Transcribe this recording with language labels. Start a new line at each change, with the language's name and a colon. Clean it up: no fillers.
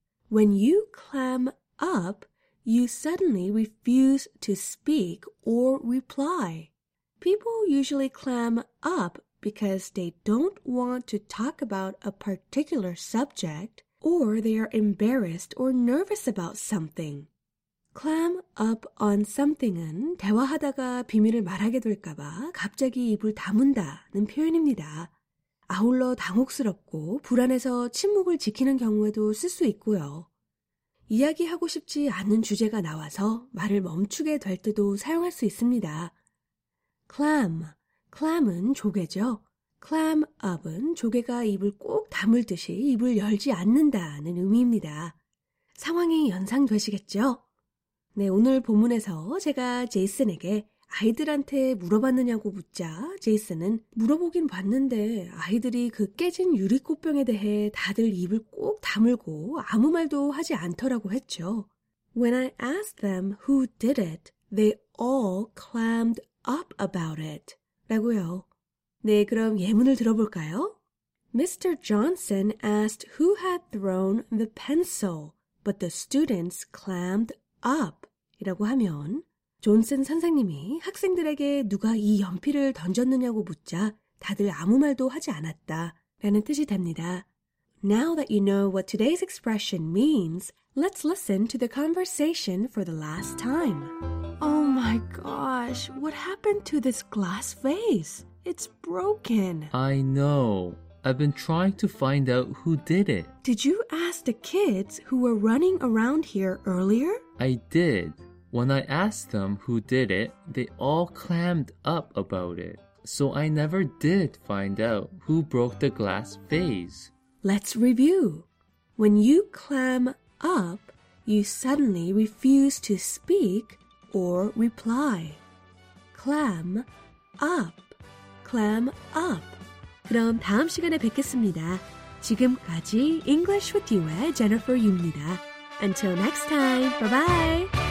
English: When you clam up, you suddenly refuse to speak or reply. People usually clam up because they don't want to talk about a particular subject or they are embarrassed or nervous about something. Clam up on something은
Korean: 대화하다가 비밀을 말하게 될까봐 갑자기 입을 다문다는 표현입니다. 아울러 당혹스럽고 불안해서 침묵을 지키는 경우에도 쓸 수 있고요. 이야기하고 싶지 않은 주제가 나와서 말을 멈추게 될 때도 사용할 수 있습니다. Clam, clam은 조개죠. clam up은 조개가 입을 꼭 다물듯이 입을 열지 않는다는 의미입니다. 상황이 연상되시겠죠? 네, 오늘 본문에서 제가 제이슨에게 아이들한테 물어봤느냐고 묻자 제이슨은 물어보긴 봤는데 아이들이 그 깨진 유리꽃병에 대해 다들 입을 꼭 다물고 아무 말도 하지 않더라고 했죠.
English: When I asked them who did it, they all clammed up about it.
Korean: 라고요. 네, 그럼 예문을 들어볼까요?
English: Mr. Johnson asked who had thrown the pencil, but the students clammed up.
Korean: 이라고 하면 존슨 선생님이 학생들에게 누가 이 연필을 던졌느냐고 묻자 다들 아무 말도 하지 않았다 라는 뜻이 됩니다.
English: Now that you know what today's expression means, let's listen to the conversation for the last time. Oh my gosh, what happened to this glass vase? It's broken. I know. I've been trying to find out who did it. Did you ask the kids who were running around here earlier? I did. When I asked them who did it, they all clammed up about it. So I never did find out who broke the glass vase. Let's review. When you clam up, you suddenly refuse to speak or reply. Clam up. Clam up.
Korean: 그럼 다음 시간에 뵙겠습니다. 지금까지 English with You의 Jennifer Yu입니다.
English: Until next time, bye-bye.